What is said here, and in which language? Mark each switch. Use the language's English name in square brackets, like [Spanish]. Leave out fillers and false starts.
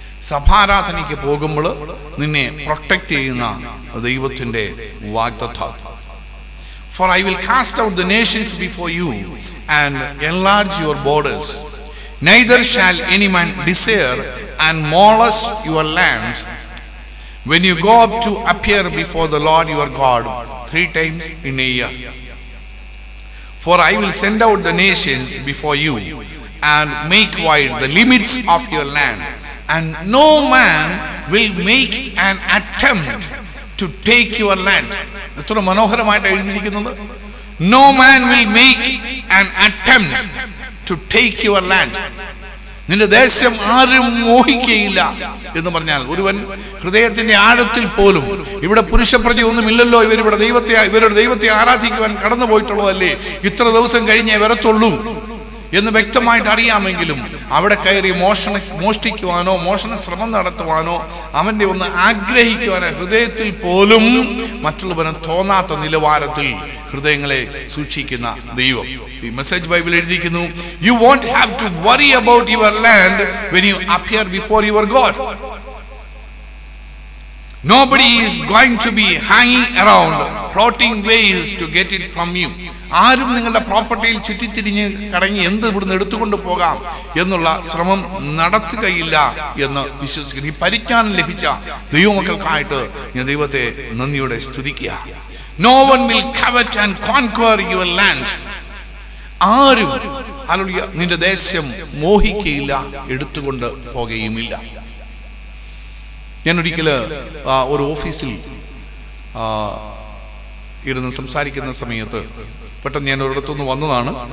[Malayalam] സഭാരാധനയ്ക്ക് പോകുമ്പോൾ നിന്നെ പ്രൊട്ടക്ട് ചെയ്യുന്ന ദൈവത്തിന്റെ വാഗ്ദത്തം. [English] For I will cast out the nations before you and enlarge your borders. Neither shall any man desire and molest your land. When you go up to appear before the Lord your God 3 times in a year. For I will send out the nations before you and make wide the limits of your land, and no man will make an attempt to take your land. [Malayalam] ഇത്ര മനോഹരമായിട്ട് എഴുതിയിരിക്കുന്നത്, [English] no man will make an attempt to take your land. [Malayalam] നിന്റെ ദേശം ആരും മോഹിക്കുകയില്ല എന്ന് പറഞ്ഞാൽ, ഒരുവൻ ഹൃദയത്തിന്റെ ആഴത്തിൽ പോലും, ഇവിടെ പുരുഷപ്രതി ഒന്നുമില്ലല്ലോ, ഇവരിവിടെ ദൈവത്തെ ഇവരുടെ ദൈവത്തെ ആരാധിക്കുവാൻ കടന്നു പോയിട്ടുള്ളതല്ലേ, ഇത്ര ദിവസം കഴിഞ്ഞേ വരത്തുള്ളൂ എന്ന് വ്യക്തമായിട്ട് അറിയാമെങ്കിലും അവിടെ കയറി മോഷ്ടിക്കുവാനോ മോഷണ ശ്രമം നടത്തുവാനോ അവന്റെ ഒന്ന് ആഗ്രഹിക്കുവാനോ ഹൃദയത്തിൽ പോലും മറ്റുള്ളവന് തോന്നാത്ത നിലവാരത്തിൽ ഹൃദയങ്ങളെ സൂക്ഷിക്കുന്ന ദൈവം. [English] ഈ message Bible [Malayalam] എഴുതിയിരിക്കുന്നു, [English] You want have to worry about your land when you appear before your God. Nobody is going to B ഹാങ്ങിങ് around floating ways to get it from U. [Malayalam] ആരും നിങ്ങളുടെ പ്രോപ്പർട്ടിയിൽ ചുറ്റിത്തിരിഞ്ഞ് കടങ്ങി എന്ത് ഇവിടുന്ന് എടുത്തുകൊണ്ട് പോകാം എന്നുള്ള ശ്രമം നടത്തുകയില്ല എന്ന് വിശ്വസിക്കുന്നു. ഈ പരിജ്ഞാനം ലഭിച്ച ദൈവമക്കൾക്കായിട്ട് ഞാൻ ദൈവത്തെ നന്ദിയോടെ സ്തുതിക്കുക. [English] No one will covet and conquer your land. [Malayalam] ആരും ഹല്ലേലൂയ നിന്റെ ദേശം മോഹിക്കയില്ല, എടുത്തുകൊണ്ട് പോകുകയുമില്ല. ഞാൻ ഒരിക്കൽ ഒരു ഓഫീസിൽ ഇരുന്ന് സംസാരിക്കുന്ന സമയത്ത് പെട്ടെന്ന് ഞാൻ ഒരിടത്തുനിന്ന് വന്നതാണ്.